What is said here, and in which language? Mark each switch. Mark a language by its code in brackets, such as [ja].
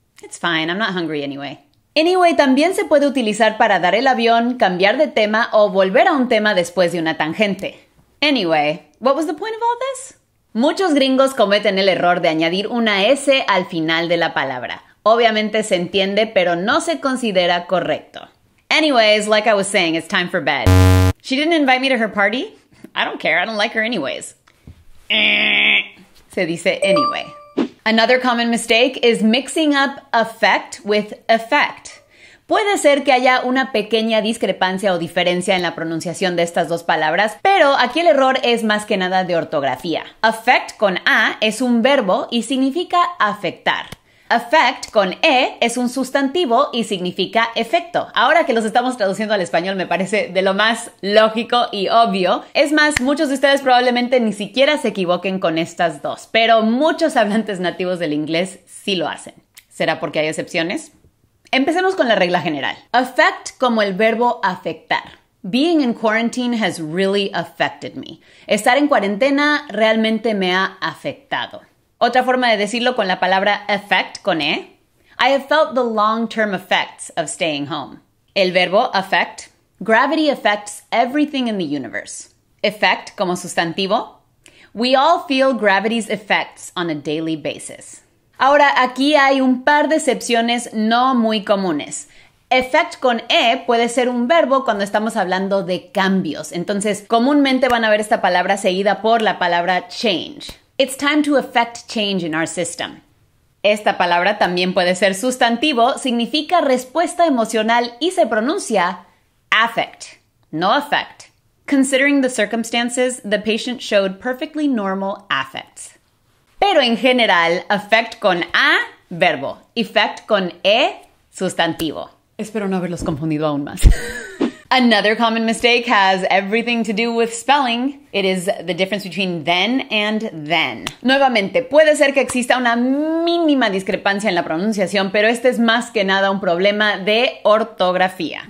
[en] It's fine, I'm not hungry anyway. [es] Anyway también se puede utilizar para dar el avión, cambiar de tema o volver a un tema después de una tangente. [en] Anyway, what was the point of all this? [es] Muchos gringos cometen el error de añadir una S al final de la palabra. Obviamente se entiende, pero no se considera correcto. [en] Anyways, like I was saying, it's time for bed. She didn't invite me to her party. I don't care. I don't like her anyways. [es] Se dice anyway. [en] Another common mistake is mixing up affect with effect. [es] Puede ser que haya una pequeña discrepancia o diferencia en la pronunciación de estas dos palabras, pero aquí el error es más que nada de ortografía. Affect con A es un verbo y significa afectar. Effect con E es un sustantivo y significa efecto. Ahora que los estamos traduciendo al español me parece de lo más lógico y obvio. Es más, muchos de ustedes probablemente ni siquiera se equivoquen con estas dos, pero muchos hablantes nativos del inglés sí lo hacen. ¿Será porque hay excepciones? Empecemos con la regla general. [en] Affect [es] como el verbo afectar. [en] Being in quarantine has really affected me. [es] Estar en cuarentena realmente me ha afectado. Otra forma de decirlo con la palabra effect con E. [en] I have felt the long-term effects of staying home. [es] El verbo [en] affect. Gravity affects everything in the universe. Effect [es] como sustantivo. [en] We all feel gravity's effects on a daily basis. [es] Ahora, aquí hay un par de excepciones no muy comunes. Effect con E puede ser un verbo cuando estamos hablando de cambios. Entonces, comúnmente van a ver esta palabra seguida por la palabra change. [en] It's time to affect change in our system. [es] Esta palabra también puede ser sustantivo, significa respuesta emocional y se pronuncia affect, no affect. [en] Considering the circumstances, the patient showed perfectly normal affects. [es] Pero en general, affect con A, verbo. Effect con E, sustantivo. Espero no haberlos confundido aún más. [en] Another common mistake has everything to do with spelling. It is the difference between then and then. [es] Nuevamente, puede ser que exista una mínima discrepancia en la pronunciación, pero este es más que nada un problema de ortografía.